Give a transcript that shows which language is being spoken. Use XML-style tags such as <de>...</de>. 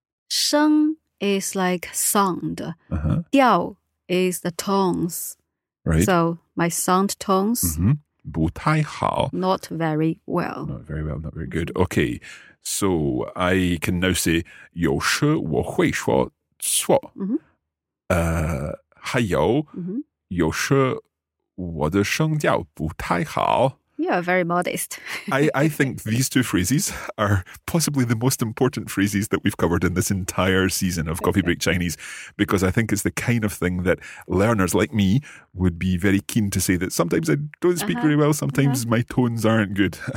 <en>声 is like sound. 调、is the tones. Right. So, my sound tones.</en> <zh>不太好.</zh> <en>Not very well. Not very well, not very good. Okay, so I can now say,</en> <zh>有时我会说错。还有,有时我的声调不太好。</zh> <en>You are very modest. I think these two phrases are possibly the most important phrases that we've covered in this entire season of Coffee Break Chinese, because I think it's the kind of thing that learners like me would be very keen to say, that sometimes I don't speak very well, sometimes my tones aren't good.</en>